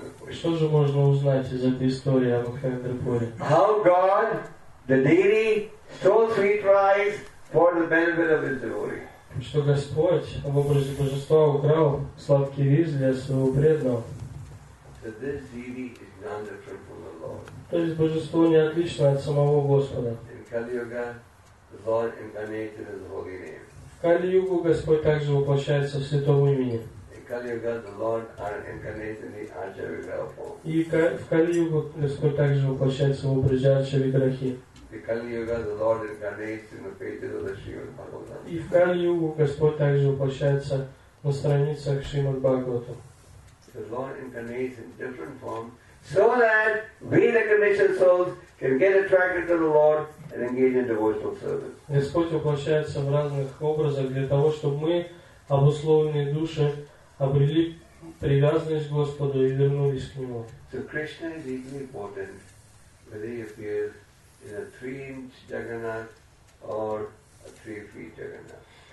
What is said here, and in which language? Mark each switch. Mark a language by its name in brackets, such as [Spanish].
[Russian] Что же можно узнать из этой истории о Махендрапури? [English] How God, the deity, stole sweet rice for the benefit of his devotee. [Russian] Что Господь в образе Божества украл сладкий рис для своего преданного. То есть Божество не отлично от самого Господа. В Кали-Югу Господь также воплощается в святом имени. И в Кали-Югу Господь также воплощается в образе Арчавиграхи. И в Кали-Югу Господь также воплощается на страницах Шримад Бхагавата. [English] The Lord incarnates in different forms so that we, the conditioned souls, can get attracted to the Lord and engage in devotional service. [Russian] Господь воплощается в разных образах для того, чтобы мы, обусловленные души, обрели привязанность к Господу и вернулись к Нему. [English] So Krishna is equally important whether he appears in a 3-inch Jagannath or a 3-feet Jagannath.